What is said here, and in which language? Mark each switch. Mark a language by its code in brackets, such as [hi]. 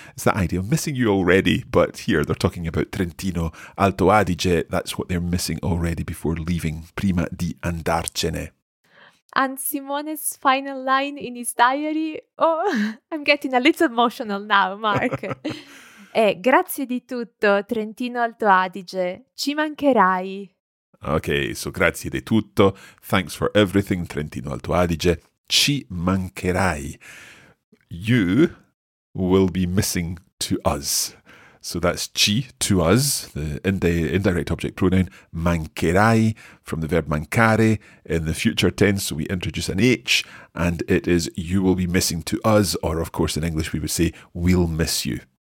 [en] It's the idea of missing you already, but here they're talking about Trentino Alto Adige. That's what they're missing already before leaving, [it] prima di andarcene. [en] And Simone's final line in his diary, oh, I'm getting a little emotional now, Mark. [it] grazie di tutto, Trentino Alto Adige, ci mancherai. [en] Okay, so [it] grazie di tutto, [en] thanks for everything, Trentino Alto Adige, [it] ci mancherai. [en] You will be missing to us. So that's ci, to us, the indirect object pronoun, mancherai, from the verb mancare in the future tense. So we introduce an H, and it is you will be missing to us, or of course in English we would say we'll miss you.